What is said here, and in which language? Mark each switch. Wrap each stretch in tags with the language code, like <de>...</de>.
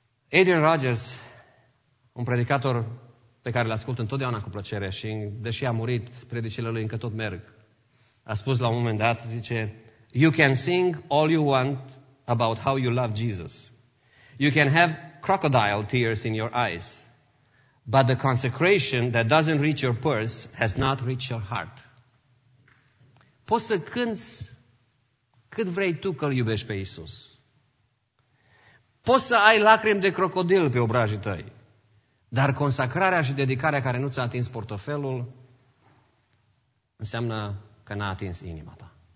<ro>Adrian Rogers, un predicator pe care îl ascult întotdeauna cu plăcere și deși a murit, predicile lui încă tot merg, a spus la un moment dat, zice,</ro> <en>"You can sing all you want about how you love Jesus. You can have crocodile tears in your eyes. But the consecration that doesn't reach your purse has not reached your heart."</en> <ro>Poți să cânți cât vrei tu că îl iubești pe Iisus. Poți să ai lacrimi de crocodil pe obrajii tăi. Dar consacrarea și dedicarea care nu ți-a atins portofelul înseamnă că n-a atins inima ta.</ro>